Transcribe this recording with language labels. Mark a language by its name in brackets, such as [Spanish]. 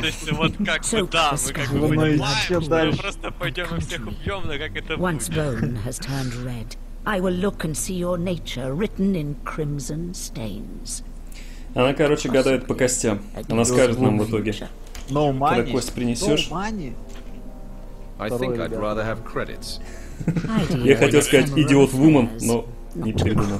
[Russian] Вот как бы да, мы как бы понимаем, просто пойдем и всех убьем, но как это будет? [English] Once bone has turned red, I will look and see your nature written in crimson stains. [Russian] Она, короче, гадает по костям. Она скажет нам в итоге, когда кость принесешь. [English] I think I'd rather have credits. [Russian] Я хотел сказать [English] идиот вумен, [Russian] но не придумал.